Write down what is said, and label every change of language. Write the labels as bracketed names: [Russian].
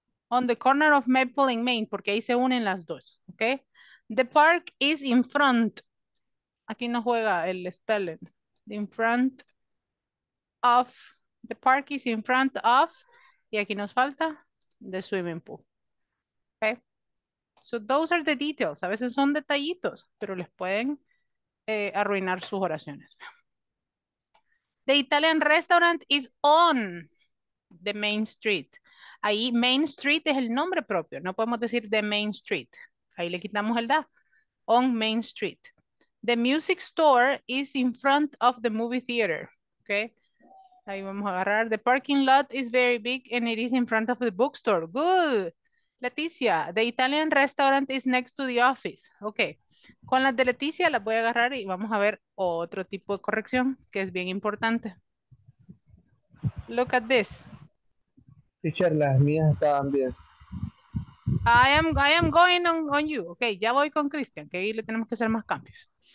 [English] On the corner of Maple and Main, [Spanish] porque ahí se unen las dos, [English] ¿ok? The park is in front. [Spanish] Aquí no juega el [English] spelling. In front of, the park is in front of, [Spanish] y aquí nos falta, [English] the swimming pool. ¿Ok? So those are the details. [Spanish] A veces son detallitos, pero les pueden arruinar sus oraciones. [English] The Italian restaurant is on the Main Street. [Spanish] Ahí Main Street es el nombre propio. No podemos decir [English] the Main Street. [Spanish] Ahí le quitamos el da. [English] On Main Street. The music store is in front of the movie theater. Okay. [Spanish] Ahí vamos a agarrar. [English] The parking lot is very big and it is in front of the bookstore. Good. Leticia, the Italian restaurant is next to the office. Okay. [Spanish] Con las de Leticia las voy a agarrar y vamos a ver otro tipo de corrección que es bien importante. [English] Look at this. [Spanish] Teacher, las mías estaban bien. [English] I am going on you. [Spanish] Okay, ya voy con Christian, que ahí le tenemos que hacer más cambios.